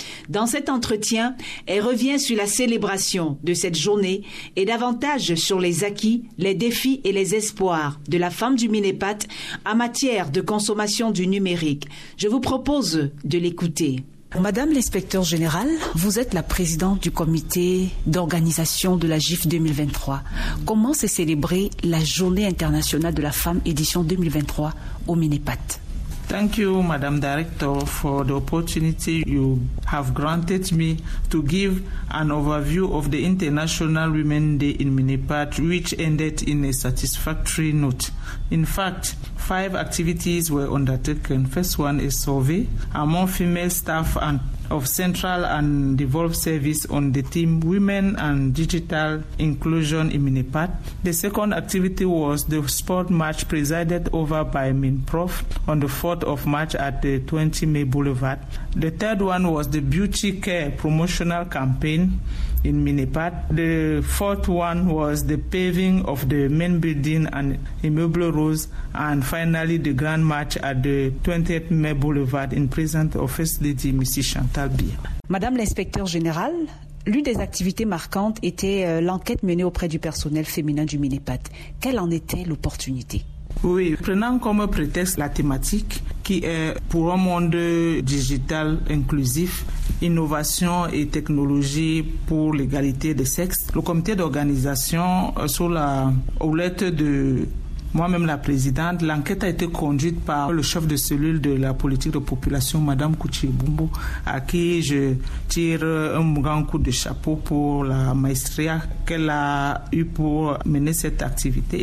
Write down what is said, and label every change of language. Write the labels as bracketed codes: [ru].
[fr] Dans cet entretien, elle revient sur la célébration de cette journée et davantage sur les acquis, les défis et les espoirs de la femme du MINEPAT en matière de consommation du numérique. Je vous propose de l'écouter. Madame l'inspecteur général, vous êtes la présidente du comité d'organisation de la GIF 2023. Comment s'est célébrée la Journée internationale de la femme édition 2023 au MINEPAT? [en] Thank you, Madam Director, for the opportunity you have granted me to give an overview of the International Women's Day in MINEPAT, which ended in a satisfactory note. In fact, 5 activities were undertaken. First one is survey among female staff and of central and devolved service on the theme Women and Digital Inclusion in MINEPAT. The second activity was the sport match presided over by MINPROF on the 4th of March at the 20 May Boulevard. The third one was the beauty care promotional campaign in MINEPAT. The fourth one was the paving of the main building and immobile roads, and finally the grand march at the 20th May Boulevard in presence of First Lady Mrs. Chantal Biya. [fr] Madame l'inspecteur général, l'une des activités marquantes était l'enquête menée auprès du personnel féminin du MINEPAT. Quelle en était l'opportunité? Oui, prenant comme prétexte la thématique qui est pour un monde digital inclusif, innovation et technologie pour l'égalité des sexes, le comité d'organisation, sous la houlette de moi-même la présidente, l'enquête a été conduite par le chef de cellule de la politique de population, Madame Kouchi Bumbo, à qui je tire un grand coup de chapeau pour la maestria qu'elle a eue pour mener cette activité.